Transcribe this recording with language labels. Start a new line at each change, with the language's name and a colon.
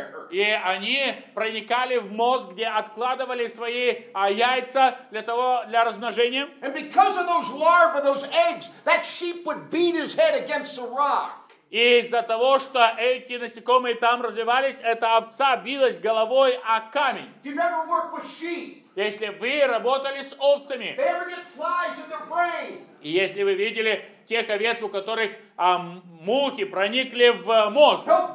Russian: И они проникали в мозг, где откладывали свои яйца для того, для размножения.
English: And because of those larvae, those eggs, that sheep would beat his head against the rock.
Russian: И из-за того, что эти насекомые там развивались, эта овца билась головой о камень.
English: If you've ever worked with sheep.
Russian: Если вы работали с овцами.
English: They ever get flies in their brain.
Russian: И если вы видели тех овец, у которых мухи проникли в мозг.